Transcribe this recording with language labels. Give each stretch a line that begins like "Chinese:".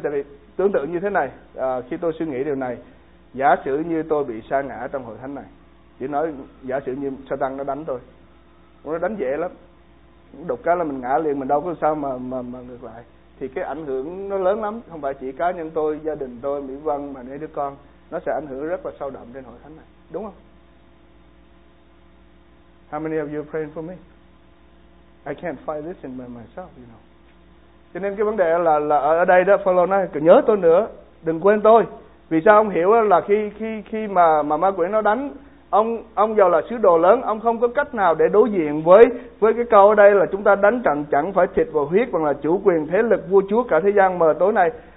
Vietnamese: Tại vì tương tự như thế này, khi tôi suy nghĩ điều này, giả sử như tôi bị sa ngã trong hội thánh này, chỉ nói giả sử như Satan nó đánh tôi, nó đánh dễ lắm, đục cái là mình ngã liền, mình đâu có sao mà ngược lại. Thì cái ảnh hưởng nó lớn lắm, không phải chỉ cá nhân tôi, gia đình tôi, Mỹ Vân mà mấy đứa con, nó sẽ ảnh hưởng rất là sâu đậm trên hội thánh này, đúng không?
English: How many of you are praying for me? I can't fight this in myself, you know.
Vietnamese: Cho nên cái vấn đề là ở đây đó, Paulo nói, nhớ tôi nữa, đừng quên tôi. Vì sao ông hiểu là khi mà ma quỷ nó đánh, ông giàu là sứ đồ lớn, ông không có cách nào để đối diện với cái câu ở đây là chúng ta đánh trận chẳng phải thịt và huyết, bằng là chủ quyền thế lực vua chúa cả thế gian mờ tối này.